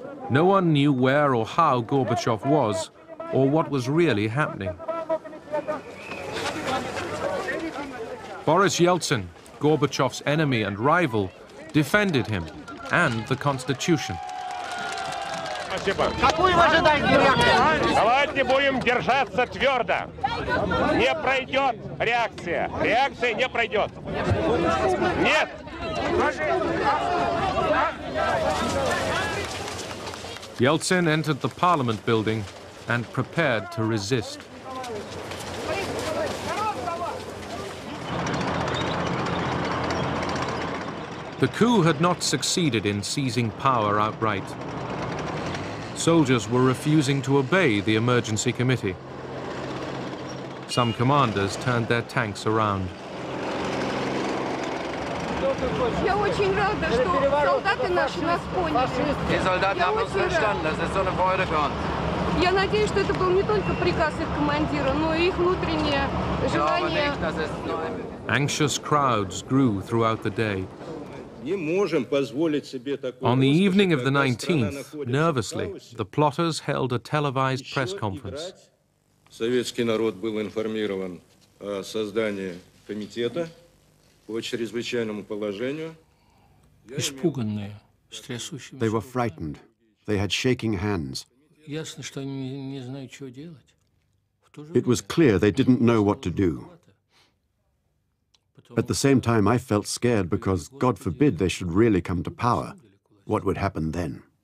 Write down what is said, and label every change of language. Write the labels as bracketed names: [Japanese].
[English] No one knew where or how Gorbachev was, or what was really happening. Boris Yeltsin, Gorbachev's enemy and rival, defended him and the Constitution. [Russian] Какую вы ожидаете реакцию? Давайте будем держаться твердо. Не пройдет реакция. Реакция не пройдет. Нет. [English] Yeltsin entered the parliament building and prepared to resist. The coup had not succeeded in seizing power outright. Soldiers were refusing to obey the emergency committee. Some commanders turned their tanks around. [Russian] Я очень рада, что солдаты наши нас поняли. И солдаты нас поняли. [German] Das ist so eine Freude für uns. [Russian] Я надеюсь, что это был не только приказ их командира, но и их внутреннее желание. [English] Anxious crowds grew throughout the day. On the evening of the 19th, nervously, the plotters held a televised press conference. [Russian] Советский народ был информирован о создании комитета по чрезвычайному положению. Испуганные, с трясущимися. [English] They were frightened. They had shaking hands. [Russian] Ясно, что они не знают, что делать. [English] It was clear they didn't know what to do. At the same time, I felt scared because, God forbid, they should really come to power. What would happen then?